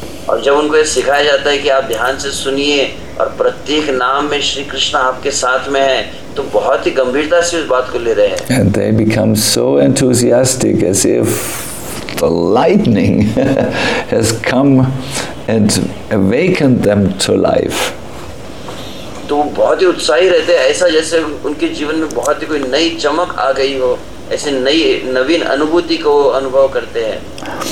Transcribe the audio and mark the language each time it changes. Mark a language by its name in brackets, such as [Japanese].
[Hindi] और जब उनको ये सिखाया जाता है कि आप ध्यान से सुनिए और प्रत्येक नाम में श्री कृष्ण आपके साथ में है तो बहुत ही गंभीरता से उस बात को ले रहे हैं। [English] And they become so enthusiastic as if the lightning has come and awakened them to life. [Hindi] तो वो बहुत ही उत्साही रहते हैं ऐसा जैसे उनके जीवन में बहुत ही कोई नई चमक आ गई हो ऐसे नई नवीन अनुभूति को अनुभव करते हैं।